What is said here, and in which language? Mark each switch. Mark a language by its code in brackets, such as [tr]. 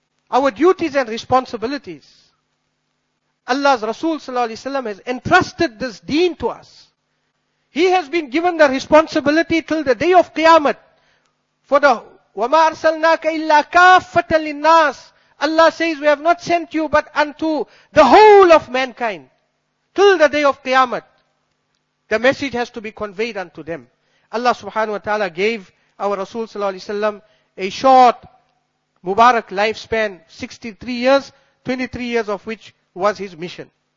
[en] Our duties and responsibilities. Allah's Rasul sallallahu alaihi wasallam has entrusted this deen to us. He has been given the responsibility till the day of Qiyamah. For the [ar] وَمَا أَرْسَلْنَاكَ إِلَّا كَافَّةً لِلنَّاسِ. [en] Allah says, we have not sent you but unto the whole of mankind. Till the day of Qiyamah, the message has to be conveyed unto them. Allah subhanahu wa ta'ala gave our Rasul sallallahu alaihi wasallam a short Mubarak lifespan, 63 years, 23 years of which was his mission.